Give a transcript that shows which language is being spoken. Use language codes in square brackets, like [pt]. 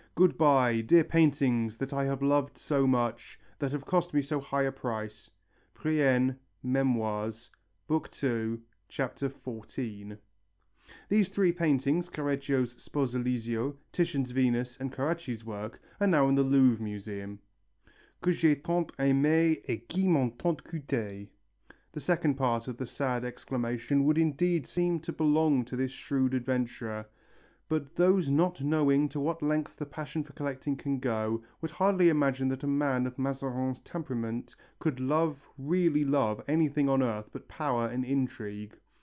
[en] Goodbye, dear paintings that I have loved so much, that have cost me so high a price.' Brienne, Memoirs, Book 2, Chapter 14. These three paintings, Correggio's Sposalizio, Titian's Venus, and Carracci's work, are now in the Louvre Museum. [fr] Que j'ai tant aimé et qui m'ont tant coûté. [en] The second part of the sad exclamation would indeed seem to belong to this shrewd adventurer, but those not knowing to what lengths the passion for collecting can go would hardly imagine that a man of Mazarin's temperament could love, really love, anything on earth but power and intrigue.